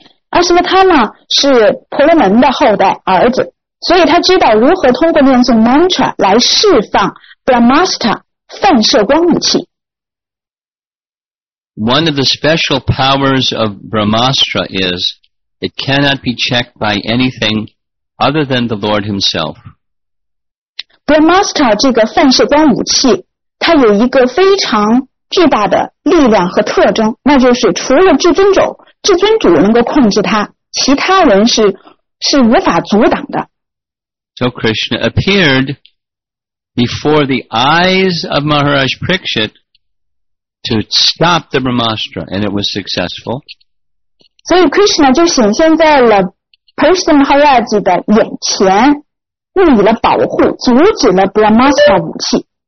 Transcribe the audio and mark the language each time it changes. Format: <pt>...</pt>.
<zh>Ashwatthama 是婆罗门的后代儿子，所以他知道如何通过念诵 mantra 来释放 Brahmastra 反射光武器。</zh> <en>One of the special powers of Brahmastra is it cannot be checked by anything other than the Lord Himself.</en> <zh>Brahmastra 这个反射光武器，它有一个非常巨大的力量和特征，那就是除了至尊主，至尊主能够控制它，其他人是无法阻挡的。</zh> <en>So Krishna appeared before the eyes of Maharaj Parikshit to stop the Brahmastra, and it was successful.</en> <zh>So Krishna 就显现在了 Parikshit Maharaj 的眼前，用以了保护，阻止了 Brahmastra 武器。</zh>